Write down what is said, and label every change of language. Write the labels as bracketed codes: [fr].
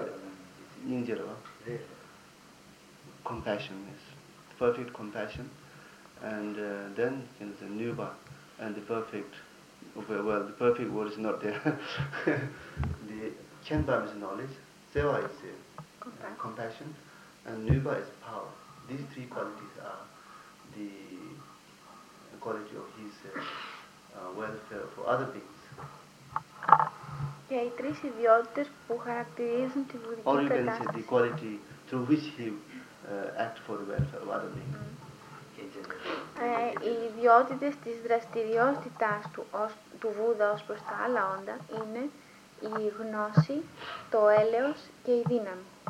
[en] seva ning ji lo compassion is perfect compassion and then in the nuba and the perfect well the perfect word is not there the chenpa is knowledge seva is compassion and nuba is power. These three qualities are the quality of his welfare for other beings. [el] Και οι τρεις ιδιότητες που χαρακτηρίζουν τη βουδική κατάσταση. [en] Or you can say the quality through which he acts for the welfare of other beings. [el] Οι ιδιότητες της δραστηριότητάς του Βούδα ως προς τα άλλα όντα είναι η γνώση, το έλεος και η δύναμη.